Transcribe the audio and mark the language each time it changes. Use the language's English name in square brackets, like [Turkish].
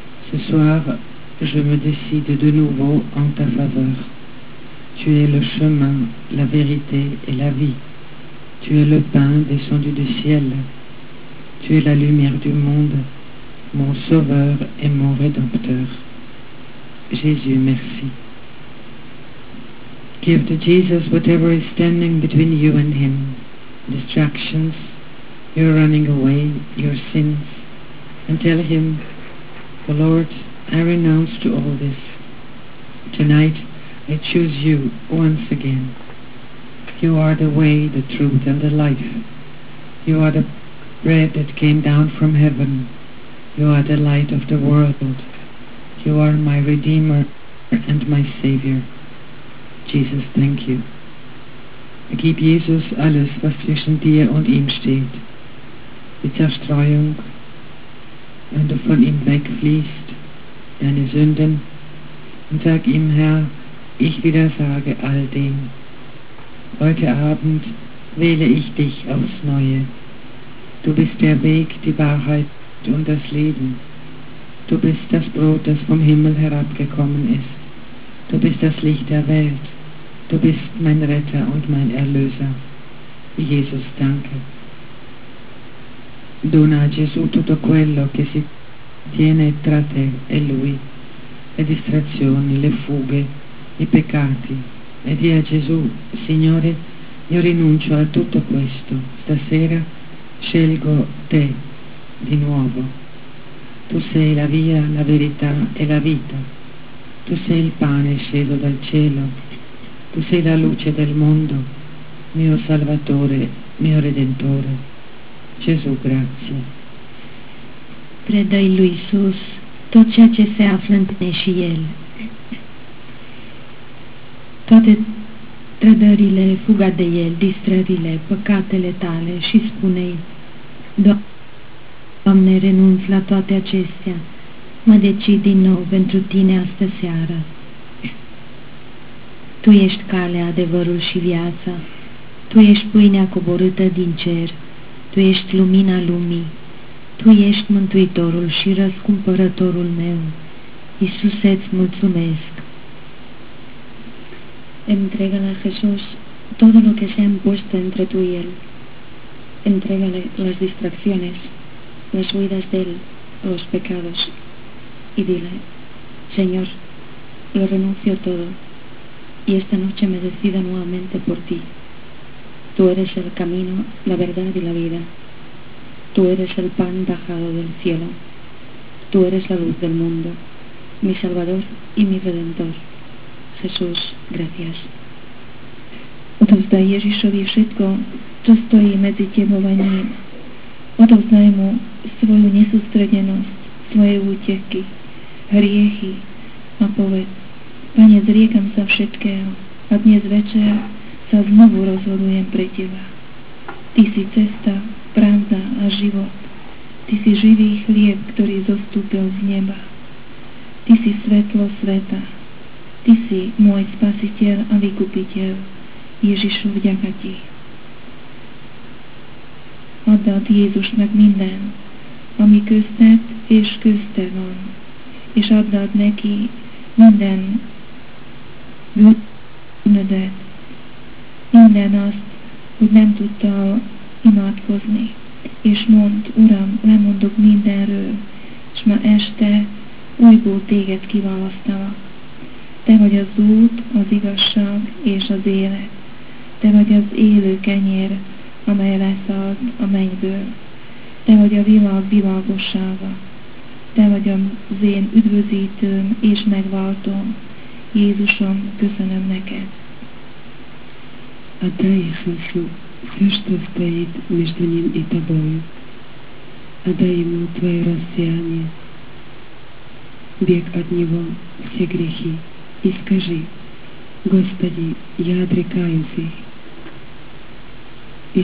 [French] Ce soir, je me décide de nouveau en ta faveur. Tu es le chemin, la vérité et la vie. Tu es le pain descendu du ciel. Tu es la lumière du monde, mon sauveur et mon rédempteur. Jésus, merci. [English] Give to Jesus whatever is standing between you and him. Distractions, your running away, your sins. And tell him, the Lord, I renounce to all this. Tonight, I choose you once again. You are the way, the truth, and the life. You are the bread that came down from heaven. You are the light of the world. You are my Redeemer and my Savior. Jesus, thank you. [German] Gib Jesus alles, was zwischen dir und ihm steht. Die Zerstreuung, wenn du von ihm wegfließt, deine Sünden. Und sag ihm, Herr, ich widersage all dem. Heute Abend wähle ich dich aufs Neue. Du bist der Weg, die Wahrheit und das Leben. Du bist das Brot, das vom Himmel herabgekommen ist. Du bist das Licht der Welt. Du bist mein Retter und mein Erlöser. Jesus, danke. [Italian] Dona a Gesù tutto quello che si tiene tra te e lui, le distrazioni, le fughe, i peccati. E di a Gesù, Signore, io rinuncio a tutto questo. Stasera scelgo te di nuovo. Tu sei la via, la verità e la vita. Tu sei il pane sceso dal cielo. Tu sei la luce del mondo, mio Salvatore, mio Redentore. Gesù, grazie. [Romanian] Predai lui Sus, tot ceea ce se află în tine și el. Toate trădările, fuga de el, distrările, păcatele tale și spune-i, Doamne, renunț la toate acestea. Mă decid din nou pentru tine astă seară. Tu ești calea, adevărul și viața. Tu ești pâinea coborâtă din cer. Tu ești lumina lumii. Tu ești mântuitorul și răscumpărătorul meu. Iisuse, îți mulțumesc. [Spanish] Entrega la Jesús todo lo que se ha impuesto entre tú y él. Entrégale las distracciones, las huidas de él, los pecados, y dile, Señor, lo renuncio todo, y esta noche me decido nuevamente por ti. Tú eres el camino, la verdad y la vida. Tú eres el pan bajado del cielo. Tú eres la luz del mundo, mi Salvador y mi Redentor. Jesús, gracias. [Slovak] Odovzdaj Ježišovi všetko, čo stojí medzi tebou a ním. Odovzdaj mu svoju nesústredenosť, svoje úteky, hriechy a povedz, Pane, zriekam sa všetkého a dnes večer sa znovu rozhodujem pre teba. Ty si cesta, pravda a život. Ty si živý chlieb, ktorý zostúpil z neba. Ty si svetlo sveta. Ty si môj spasiteľ a vykupiteľ. Ježišu, vďaka ti. [Hungarian] Adat Jézusnak minden, ami köztet és közte van, és adat neki minden bűnödet, minden azt, hogy nem tudta imádkozni, és mond, Uram, lemondok mindenről, és ma este újból téged kiválasztalak. Te vagy az út, az igazság és az élet. Te vagy az élő kenyér, amely leszállt a mennyből. Te vagy a világ világossága. Te vagy az én üdvözítőm és megváltóm. Jézusom, köszönöm neked. [Russian] отдай Иисусу все, что стоит между Ним и Тобою. Отдай Ему Твое рассеяние, бег от Него все грехи. И скажи: Господи, я отрекаюсь их.